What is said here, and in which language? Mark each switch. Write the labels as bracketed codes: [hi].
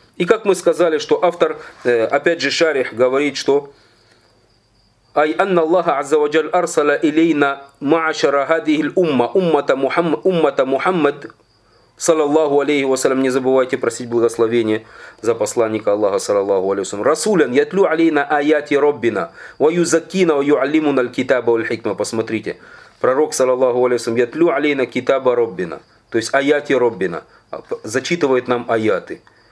[ru] И как мы сказали, что автор, опять же шарих, говорит, что [ar] أي أن الله عز وجل أرسل إلينا معشر هذه الأمة أمة محمد صلى الله عليه وسلم. [ru] Не забывайте просить благословения за посланника Аллаха, [ar] صلى الله عليه وسلم. رسولا يتلو علينا آيات ربنا ويزكينا ويعلمنا الكتاب والحكمة. [ru] Посмотрите, пророк, [ar] صلى الله عليه وسلم, يتلو علينا كتاب ربنا, [ru] то есть [ar] آيات ربنا, [ru] зачитывает нам аяты.